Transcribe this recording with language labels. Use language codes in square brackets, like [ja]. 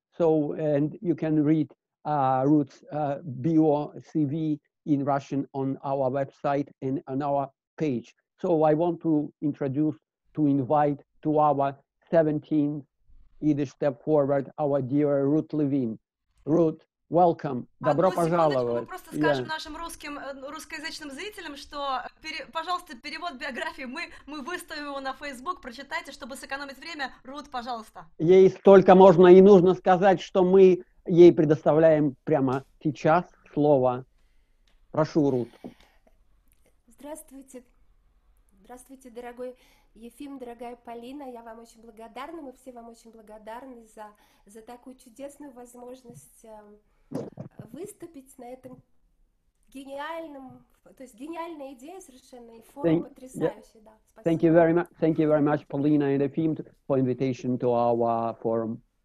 [en] So, and you can read Ruth's bio CV in Russian on our website and on our page. So I want to introduce, to invite to our 17th Yiddish Step Forward, our dear Ruth Levine. Ruth, welcome. [ru] Добро пожаловать. Мы просто скажем нашим русскоязычным зрителям, что, пожалуйста, перевод биографии, мы выставим его на Facebook, прочитайте, чтобы сэкономить время. Рут, пожалуйста. Ей столько можно и нужно сказать, что мы ей предоставляем прямо сейчас слово. Прошу, Рут. Здравствуйте. Здравствуйте, дорогой Ефим, дорогая Полина, я вам очень благодарна, мы все вам очень благодарны за такую чудесную возможность выступить на этом гениальном, то есть гениальная идея совершенно, и форум потрясающий, да. Спасибо. [en] Thank you very much, Polina and Ефим, for invitation to our forum.